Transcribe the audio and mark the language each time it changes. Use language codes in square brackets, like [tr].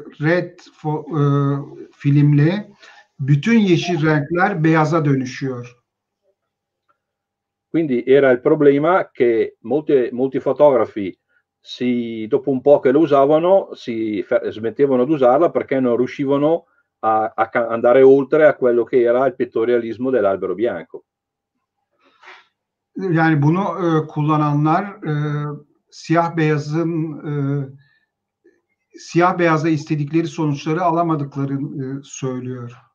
[tr] infrared filmle bütün yeşil renkler beyaza dönüşüyor. [it] Quindi era il problema che molti fotografi si dopo un po' che lo usavano smettevano di usarla perché non riuscivano a andare oltre a quello che era il pittorialismo dell'albero bianco. [tr] Yani bunu kullananlar siyah beyaza istedikleri sonuçları alamadıklarını söylüyor.